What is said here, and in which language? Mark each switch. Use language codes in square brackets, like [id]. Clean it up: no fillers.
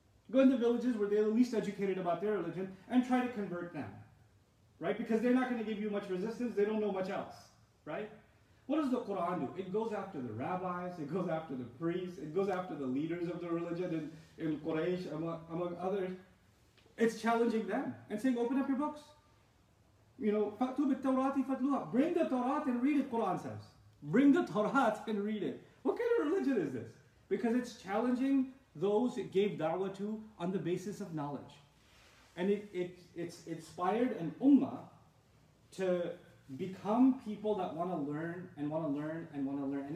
[en] Go in the villages where they're the least educated about their religion and try to convert them. Right? Because they're not going to give you much resistance. They don't know much else. Right? What does the Quran do? It goes after the rabbis. It goes after the priests. It goes after the leaders of the religion in Quraysh, among others. It's challenging them and saying, open up your books. You know, [ar] فَأْتُوا بِالتَّوْرَاتِ فَتْلُوهَا. [en] Bring the Torah and read it, Quran says. Bring the Torah and read it. What kind of religion is this? Because it's challenging those it gave da'wah to on the basis of knowledge. And it's inspired an ummah to become people that want to learn and want to learn and want to learn.